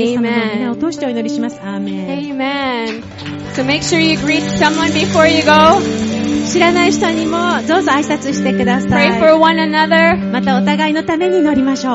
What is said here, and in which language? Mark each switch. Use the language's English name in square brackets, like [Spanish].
[Japanese] イエス様の御名を通してお祈りします。アーメン。 [English] Amen. So make sure you greet someone before you go. [Japanese] 知らない人にもどうぞ挨拶してください。 [English] Pray for one another. [Japanese] またお互いのために祈りましょう。